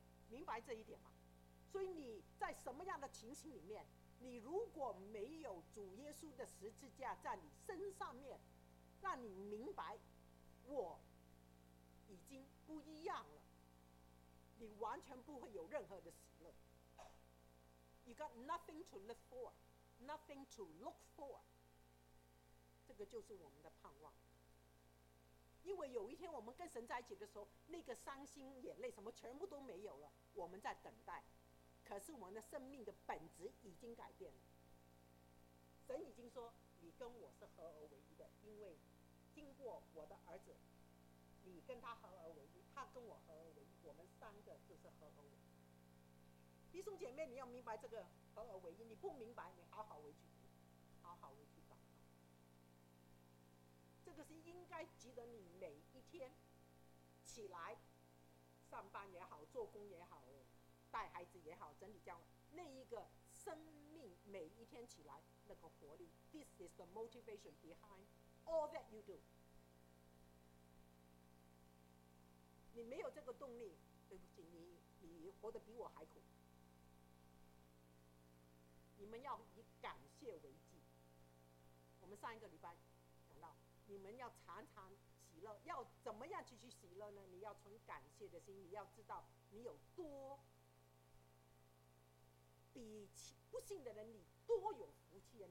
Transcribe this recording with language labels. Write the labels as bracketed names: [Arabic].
[Chinese] 明白这一点吗？所以你在什么样的情形里面，你如果没有主耶稣的十字架在你身上面让你明白我已经不一样了，你完全不会有任何的喜乐。 [English] You got nothing to live for, nothing to look for. [Chinese] 这个就是我们的盼望。因为有一天我们跟神在一起的时候，那个伤心眼泪什么全部都没有了，我们在等待。可是我们的生命的本质已经改变了。神已经说，你跟我是合而为一的，因为经过我的儿子，你跟他合而为一，他跟我合而为一，我们三个就是合而为一。弟兄姐妹，你要明白这个合而为一，你不明白，你好好回去读，好好回去祷告。这个是应该值得你每一天起来上班也好，做工也好，带孩子也好，整理家务，那一个生命每一天起来那个活力。 [English] This is the motivation behind all that you do。 [Chinese] 你没有这个动力，对不起，你活得比我还苦。你们要以感谢为祭。我们上一个礼拜讲到，你们要常常喜乐。要怎么样继续喜乐呢？你要存感谢的心，你要知道你有多比不幸的人你多有福气啊！